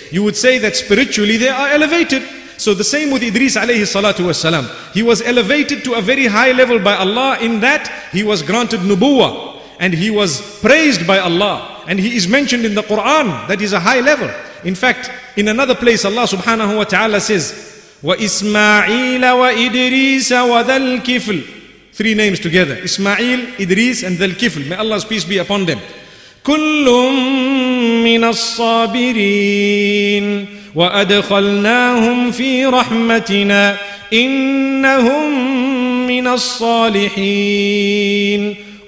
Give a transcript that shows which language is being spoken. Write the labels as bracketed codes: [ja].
[en] You would say that spiritually they are elevated. So the same with Idrees alayhi salatu wasalam. He was elevated to a very high level by Allah in that he was granted nubuwwah and he was praised by Allah. And he is mentioned in the Quran that is a high level. In fact, in another place Allah subhanahu wa ta'ala says, [ar] وإسماعيل وإدريس وذا الكفل. [en] Three names together, Ismail, Idrees, and Dhul Kifl. May Allah's peace be upon them. [ar] كُلٌّ مِّنَ الصَّابِرِينَ وَأَدْخَلْنَاهُمْ فِي رَحْمَتِنَا إِنَّهُمْ مِّنَ الصَّالِحِينَ.